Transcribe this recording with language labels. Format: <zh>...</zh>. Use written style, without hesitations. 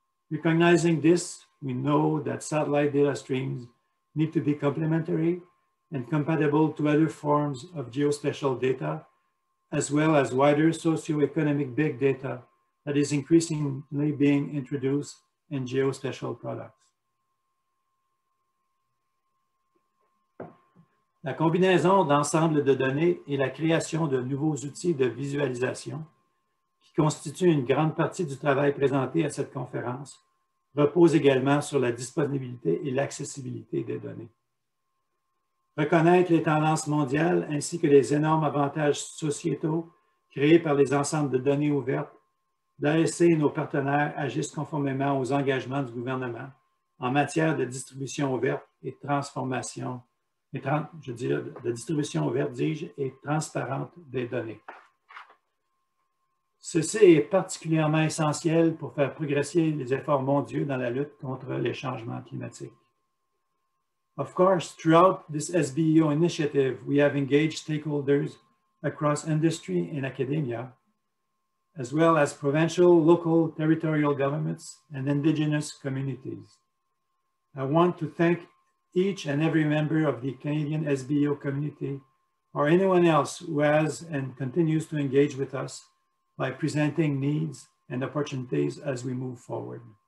<en>Recognizing this, we know that satellite data streams need to be complementary and compatible to other forms of geospatial data, as well as wider socioeconomic big data that is increasingly being introduced in geospatial products.</en> <fr>La combinaison d'ensembles de données et la création de nouveaux outils de visualisation, qui constituent une grande partie du travail présenté à cette conférence, repose également sur la disponibilité et l'accessibilité des données. Reconnaître les tendances mondiales ainsi que les énormes avantages sociétaux créés par les ensembles de données ouvertes, l'ASC et nos partenaires agissent conformément aux engagements du gouvernement en matière de distribution ouverte et de transformation. La distribution ouverte, dis-je, est transparente des données. Ceci est particulièrement essentiel pour faire progresser les efforts mondiaux dans la lutte contre les changements climatiques.</fr> <en>Of course, throughout this SBO initiative, we have engaged stakeholders across industry and academia, as well as provincial, local, territorial governments and indigenous communities. I want to thank each and every member of the Canadian SBO community or anyone else who has and continues to engage with us by presenting needs and opportunities as we move forward.</en>